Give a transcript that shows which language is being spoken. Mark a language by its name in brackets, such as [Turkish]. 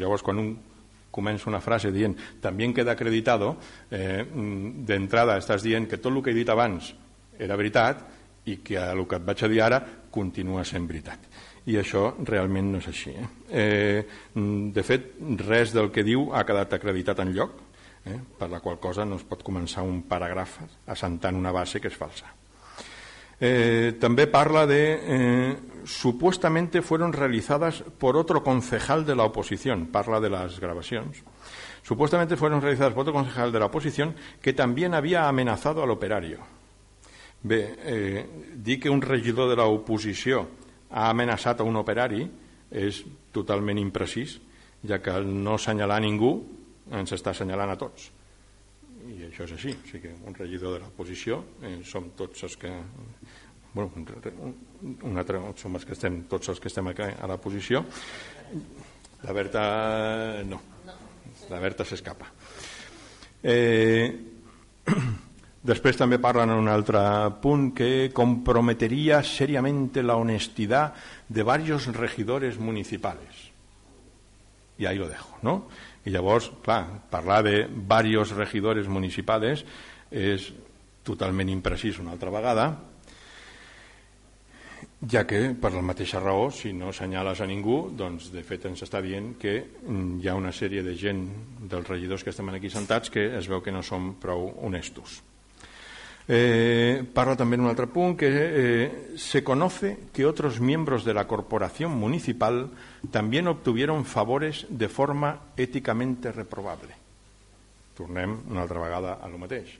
[Catalan] Llavors, quan un comença una frase dient també queda acreditado, d'entrada estàs dient que tot el que he dit abans era veritat i que el que et vaig a dir ara continua sent veritat. I això realment no és així. De fet, res del que diu ha quedat acreditat en lloc, per la qual cosa no es pot començar un paràgraf assentant una base que és falsa. [Spanish] También parla de supuestamente fueron realizadas por otro concejal de la oposición, parla de las grabaciones, supuestamente fueron realizadas por otro concejal de la oposición que también había amenazado al operario. [Catalan] Bé, dir que un regidor de la oposició ha amenaçat a un operari és totalment imprecís, ja que el no assenyalar a ningú ens està assenyalant a tots. I això és així, o sigui que un regidor de la oposició som tots els que... Bueno, un altre, som els que estem, tots els que estem a la oposició. La Berta no. La Berta s'escapa. Després també parlen en un altre punt que comprometeria [Spanish] seriamente la honestidad de varios regidores municipales. I ahí lo dejo, ¿no? [Catalan] I llavors, clar, parlar de [Spanish] varios regidores municipales [Catalan] és totalment imprecís una altra vegada, ja que, per la mateixa raó, si no assenyales a ningú, doncs de fet ens està dient que hi ha una sèrie de gent dels regidors que estem aquí sentats que es veu que no som prou honestos. [Spanish] Parla también un otro punto que se conoce que otros miembros de la corporación municipal también obtuvieron favores de forma éticamente reprobable. [Catalan] Tornem una altra vegada a lo mateix.